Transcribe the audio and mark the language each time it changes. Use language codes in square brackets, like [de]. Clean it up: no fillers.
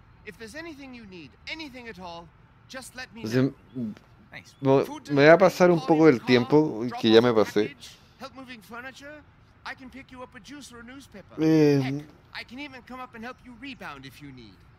[en] If there's anything you need, anything at all, just let me know. Thanks. [es] Me va a pasar un poco el tiempo que ya me pasé. [en] Help moving furniture? I can pick you up a juice or a newspaper. Heck, I can even come up and help you rebound if you need.